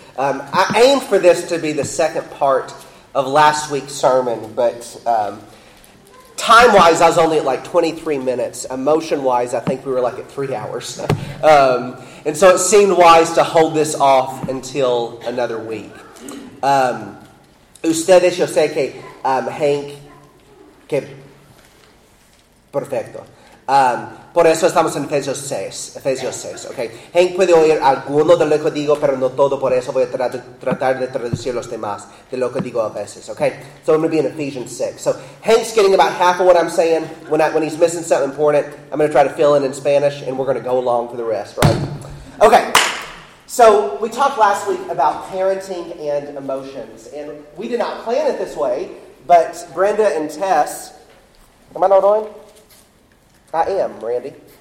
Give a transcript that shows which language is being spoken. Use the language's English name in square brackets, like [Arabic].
[English] I aimed for this to be the second part of last week's sermon, but time-wise, I was only at like 23 minutes. Emotion-wise, I think we were like at 3 hours. And so it seemed wise to hold this off until another week. [Spanish] Ustedes, yo sé que Hank, que perfecto. Por eso estamos en Efesios 6, ¿ok? Hank puede oír alguno de lo que digo, pero no todo, por eso voy a tratar de traducir los demás de lo que digo a veces, ¿ok? [English] So I'm going to be in Ephesians 6. So Hank's getting about half of what I'm saying. When he's missing something important, I'm going to try to fill in Spanish, and we're going to go along for the rest, right? Okay, so we talked last week about parenting and emotions, and we did not plan it this way, but Brenda and Tess, am I not on? I am, Randy.